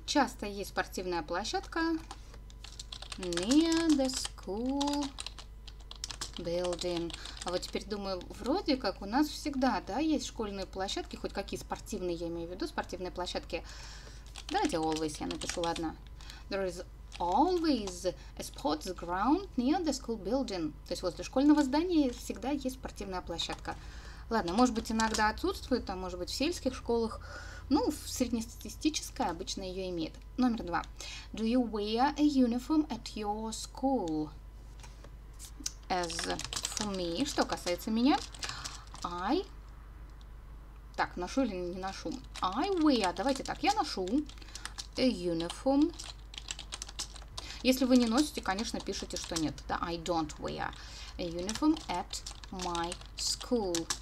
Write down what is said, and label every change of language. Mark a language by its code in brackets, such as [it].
[ru] Часто есть спортивная площадка. [en] Near the school building. [ru] А вот теперь думаю, вроде как у нас всегда, да, есть школьные площадки. Хоть какие спортивные, я имею в виду, спортивные площадки. Давайте [en] always [ru] я напишу, ладно. [en] There is always a sports ground near the school building. [ru] То есть возле школьного здания всегда есть спортивная площадка. Ладно, может быть, иногда отсутствует, а может быть, в сельских школах. Ну, среднестатистическая обычно ее имеет. Номер два. [en] Do you wear a uniform at your school? As for me, [ru] что касается меня, [en] I... [ru] Так, ношу или не ношу? [en] I wear, [ru] давайте так, я ношу [en] a uniform. [ru] Если вы не носите, конечно, пишите, что нет. [en] Да, I don't wear a uniform at my school.